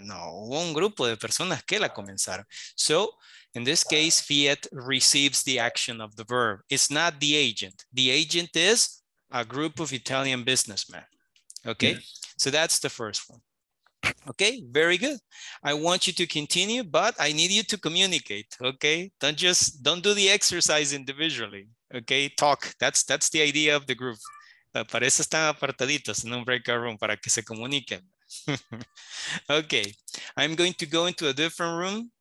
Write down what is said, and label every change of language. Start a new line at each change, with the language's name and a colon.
Spanish: No, hubo un grupo de personas que la comenzaron.
English: So, in this case, Fiat receives the action of the verb. It's not the agent. The agent is a group of Italian businessmen. Okay. Yes. So that's the first one. Okay, very good. I want you to continue, but I need you to communicate, okay? Don't do the exercise individually, okay? Talk, that's the idea of the group.
Spanish: Para eso están apartaditos en un breakout room, para que se comuniquen.
English: Okay, I'm going to go into a different room.